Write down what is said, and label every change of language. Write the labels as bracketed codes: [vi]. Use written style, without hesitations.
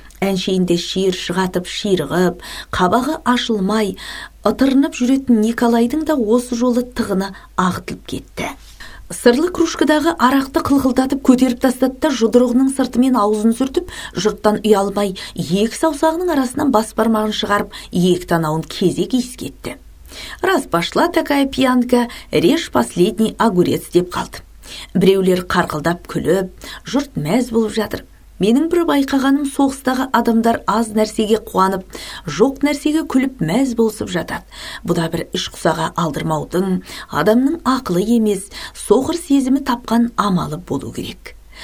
[kk] Әншейінде шиыр шығатып, шиырғып, қабағы ашылмай, ытырынып жүретін Николайдың да осы жолы тығыны ағытылып кетті. Сырлы кружкадағы арақты қылғылдатып көтеріп тастады да жұдырығының сыртымен аузын сүртіп, жұрттан ұялмай, екі саусағының арасынан бас бармағын шығарып, екі танауын кезек иіскетті. [ru] Раз пошла такая пьянка, реж последний огурец [kk] деп қалды. Біреулер қарқылдап күліп, жұрт мәз болып жатыр. Менің бір байқағаным, соғыстағы адамдар аз нәрсеге қуанып, жоқ нәрсеге күліп мәз болсып жатады. Бұда бір іш құсаға алдырмаудың, адамның ақылы емес, соғыр сезімі тапқан амалы болу керек.